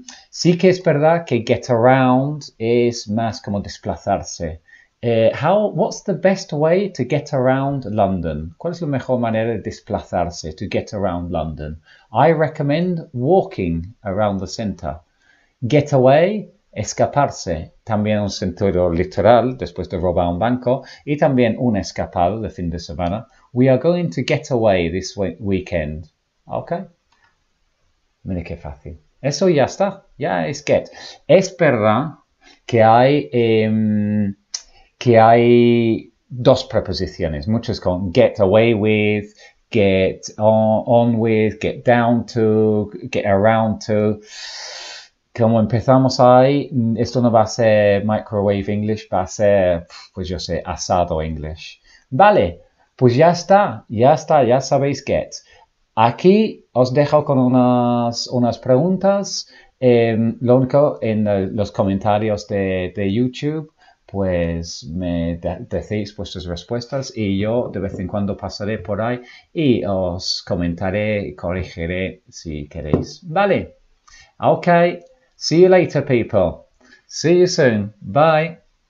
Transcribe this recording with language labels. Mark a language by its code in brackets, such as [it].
[es] Sí que es verdad que get around es más como desplazarse. [en] What's the best way to get around London? [es] ¿Cuál es la mejor manera de desplazarse, [en] to get around London? I recommend walking around the center. Get away, escaparse. [es] También un sentido literal después de robar un banco y también un escapado de fin de semana. [en] We are going to get away this weekend. [es] Ok. Mira qué fácil. Eso ya está. Ya es get. Es verdad que hay dos preposiciones. Muchas con get away with, get on with, get down to, get around to. Como empezamos ahí, esto no va a ser microwave English, va a ser, pues yo sé, asado English. Vale. Pues ya está, ya está, ya sabéis get. Aquí os dejo con unas preguntas. Lo único en los comentarios de YouTube, pues me decís vuestras respuestas y yo de vez en cuando pasaré por ahí y os comentaré y corregiré si queréis. [en] Vale. Ok. See you later, people. See you soon. Bye.